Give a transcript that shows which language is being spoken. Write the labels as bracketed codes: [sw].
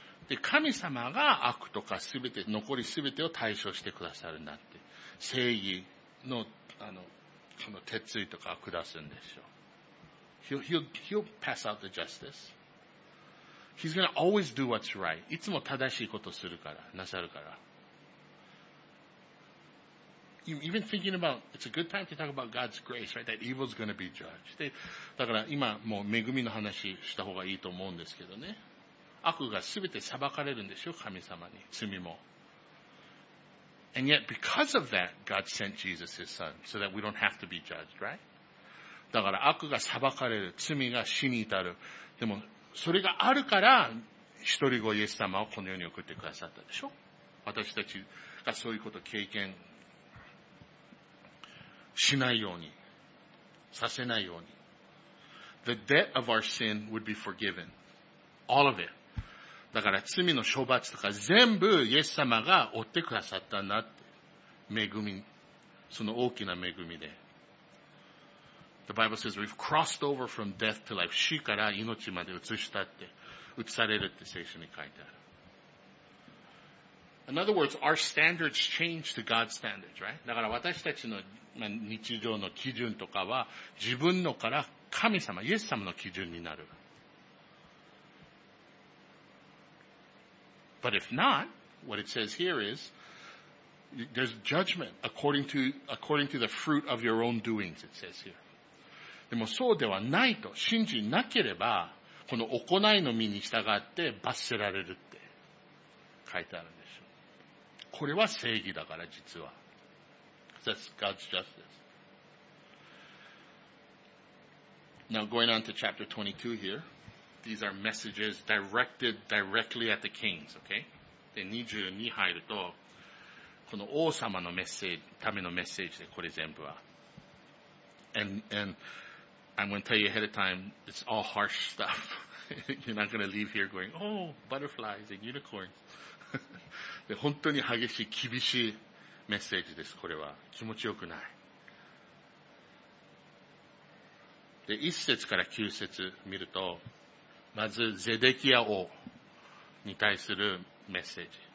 [ja] で、神様が悪とかすべて、残りすべてを対処してくださるんだって。正義の、その鉄槌とかを下すんでしょう。 [en] He'll pass out the justice. He's gonna always do what's right. [ja] いつも正しいことするから、なさるから。 [en] Even thinking about, it's a good time to talk about God's grace, right? That evil's gonna be judged. [ja] で、だから今もう恵みの話した方がいいと思うんですけどね。悪がすべて裁かれるんでしょ、神様に。罪も。 [en] And yet, because of that, God sent Jesus His Son, so that we don't have to be judged, right? [ja] だから悪が裁かれる、罪が死に至る。でも、それがあるから、一人子イエス様をこの世に送ってくださったでしょ。私たちがそういうことを経験、しないように。させないように。 [en] The debt of our sin would be forgiven. All of it. [ja] だから罪の処罰とか全部イエス様が負ってくださったなって。恵み。その大きな恵みで。 [en] The Bible says we've crossed over from death to life. [ja] 死から命まで移したって、移されるって聖書に書いてある。 [en] In other words, our standards change to God's standards, right? [ja] だから私たちの日常の基準とかは自分のから神様、イエス様の基準になる。 [en] But if not, what it says here is, there's judgment according to the fruit of your own doings, it says here. [ja] でもそうではないと信じなければ、この行いの身に従って罰せられるって書いてあるんでしょ。これは正義だから実は。 [en] That's God's justice. Now going on to chapter 22 here. These are messages directed directly at the kings, okay? [ja] で、22入ると、この王様のメッセージ、ためのメッセージで、これ全部は。 [en] And I'm going to tell you ahead of time, it's all harsh stuff. You're not going to leave here going, oh, butterflies and unicorns. [ja] で本当に激しい厳しいメッセージです。これは気持ちよくない。で一節から九節見ると、まずゼデキヤ王に対するメッセージ。